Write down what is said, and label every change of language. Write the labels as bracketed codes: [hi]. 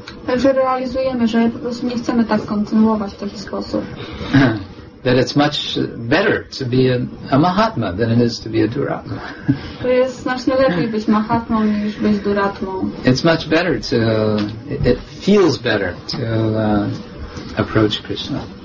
[pl] Także realizujemy, że po prostu nie chcemy tak kontynuować w taki sposób. [en] That it's much better to be a mahatma than it is to be a duratma. [pl] To jest znacznie lepiej być mahatmą niż być duratmą. [en] It's much better to, it feels better to approach Krishna.